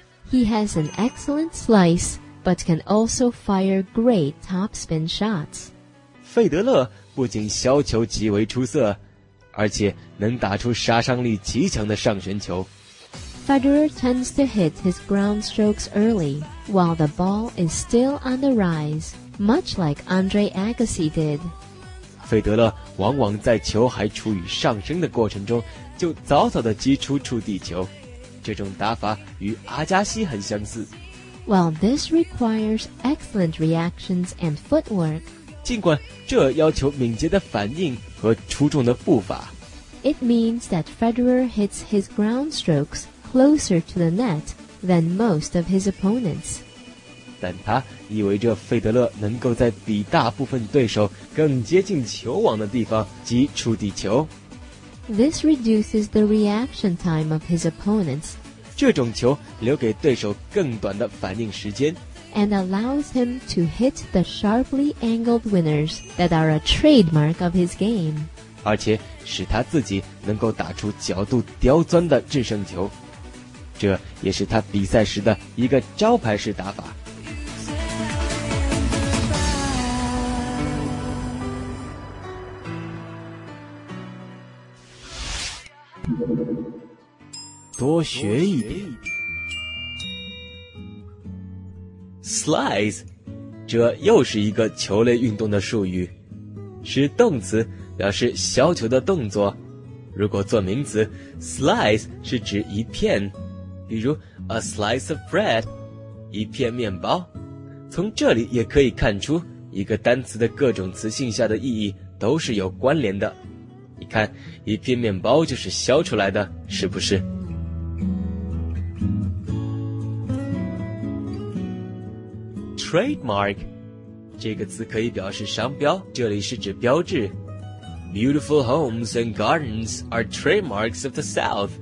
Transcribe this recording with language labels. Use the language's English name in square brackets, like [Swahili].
[English] He has an excellent slice, but can also fire great topspin shots. [Chinese] 费德勒不仅削球极为出色，而且能打出杀伤力极强的上旋球。 [English] Federer tends to hit his ground strokes early, while the ball is still on the rise, much like Andre Agassi did. [Chinese] 费德勒往往在球还处于上升的过程中，就早早地击出触地球。这种打法与阿加西很相似。 [English] While this requires excellent reactions and footwork, [Chinese] 尽管这要求敏捷的反应和出众的步伐。 [English] It means that Federer hits his ground strokes closer to the net than most of his opponents. [Chinese] 但他意味着费德勒能够在比大部分对手更接近球网的地方击触地球。 [English] This reduces the reaction time of his opponents. [Chinese] 这种球留给对手更短的反应时间。 [English] And allows him to hit the sharply angled winners that are a trademark of his game. [Chinese] 而且使他自己能够打出角度刁钻的制胜球。这也是他比赛时的一个招牌式打法。多学一点。 Slice， 这又是一个球类运动的术语，是动词，表示削球的动作。如果做名词 ，slice 是指一片，比如 [English] a slice of bread， [Chinese] 一片面包。从这里也可以看出，一个单词的各种词性下的意义都是有关联的。你看，一片面包就是削出来的，是不是？ Trademark 这个词可以表示商标，这里是指标志。 [English] Beautiful homes and gardens are trademarks of the South.